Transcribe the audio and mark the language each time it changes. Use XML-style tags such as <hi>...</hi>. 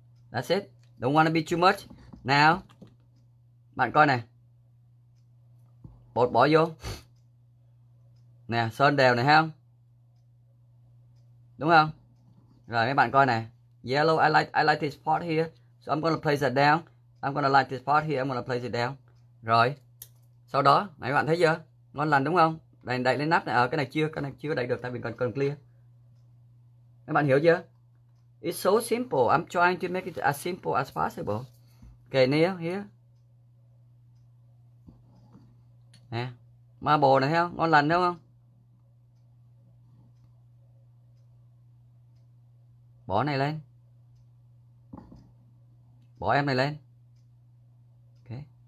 <en>That's it. Don't want to be too much. Now,</en> <vi>bạn coi này. Bột bỏ vô. Nè, sơn đều này ha. Đúng không? Rồi mấy bạn coi này.</vi> <en>Yellow, I like this part here. So I'm gonna place it down. I'm gonna like this part here. I'm gonna place it down.</en> <vi>Rồi. Sau đó, mấy bạn thấy chưa? Ngon lành đúng không? Đây đậy lên nắp này. Cái này chưa đậy được tại vì còn clear. Mấy bạn hiểu chưa?</vi> <en>It's so simple. I'm trying to make it as simple as possible. Okay, near here.</en> <vi>Nè, marble này thấy không? Ngon lành đúng không? Bỏ này lên. Bỏ em này lên. Ok.</vi>